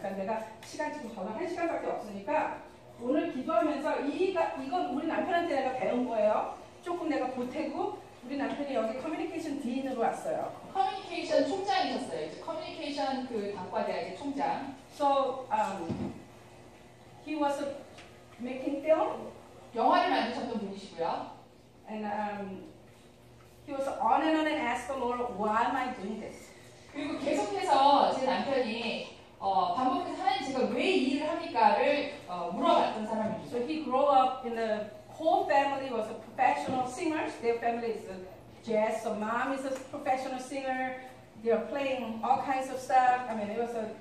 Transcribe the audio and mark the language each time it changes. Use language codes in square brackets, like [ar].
[ko] 그러니까 내가 시간 지금 저는 한 시간밖에 없으니까 오늘 기도하면서 이건 우리 남편한테 내가 배운 거예요. 조금 내가 보태고 우리 남편이 여기 커뮤니케이션 딘으로 왔어요. 커뮤니케이션 총장이셨어요. 이제 커뮤니케이션 그 단과대학의 총장. [en] So he was making film. [ko] 영화를 만드셨던 분이시고요. [en] And He was on and on and asked the Lord, why am I doing this? [ko] 그리고 계속해서 제 남편이 반복해서 하나님 제가 왜 이 일을 합니까를 물어봤던 사람입니다. [en] So he grew up in a whole family was a professional singers. Their family is a jazz. So mom is a professional singer. They are playing all kinds of stuff. I mean, it was a